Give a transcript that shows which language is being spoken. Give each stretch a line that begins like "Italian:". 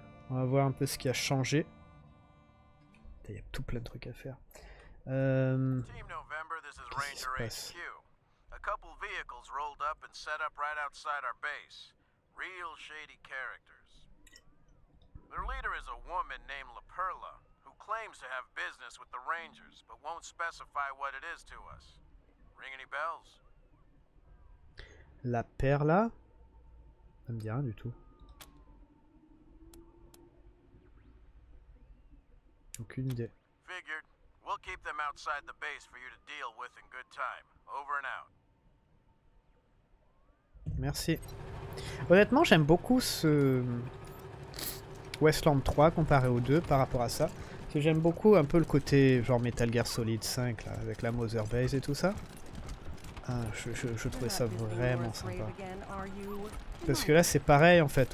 French: On va voir un peu ce qui a changé. Il y a tout plein de trucs à faire.
English: Team November, this is Ranger HQ. A couple vehicles rolled up and set up right outside our base. Real shady characters. Their leader is a woman named La Perla, who claims to have business with the Rangers, but won't specify what it is to us. Ring any bells?
French: La Perla? Ça me dit rien du tout. Aucune idée.
English: Figured. We'll keep them outside the base for you to deal with in good time. Over and out.
French: Merci. Honnêtement, j'aime beaucoup ce Westland 3 comparé aux deux par rapport à ça. Parce que j'aime beaucoup un peu le côté genre Metal Gear Solid 5 là, avec la Mother Base et tout ça. Je trouvais ça vraiment sympa. Parce que là, c'est pareil en fait.